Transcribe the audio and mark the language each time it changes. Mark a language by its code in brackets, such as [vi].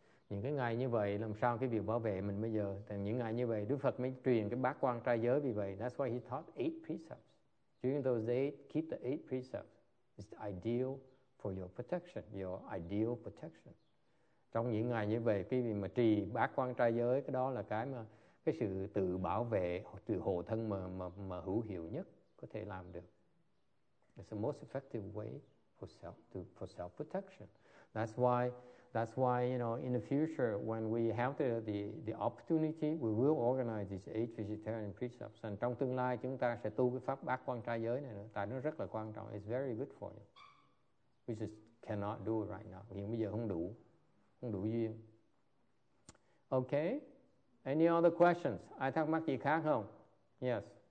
[vi] Những cái ngày như vậy, làm sao cái việc bảo vệ mình bây giờ? Thì những ngày như vậy, Đức Phật mới truyền cái bát quan trai giới vì vậy. [en] That's why he taught 8 precepts. During those 8, keep the 8 precepts. It's the ideal for your protection, your ideal protection. [vi] Trong những ngày như vậy, cái gì mà trì bát quan trai giới, cái đó là cái mà cái sự tự bảo vệ, tự hộ thân mà hữu hiệu nhất có thể làm được. [en] It's the most effective way for self protection. That's why, you know, in the future, when we have the opportunity, we will organize these 8 vegetarian precepts. [vi] And trong tương lai, chúng ta sẽ tu cái pháp bát quan trai giới này nữa. Tại nó rất là quan trọng. [en] It's very good for you. We just cannot do it right now. [vi] Hiện bây giờ không đủ. Không đủ duyên. Okay. [en] Any other questions? [vi] Ai thắc mắc gì khác không? Yes.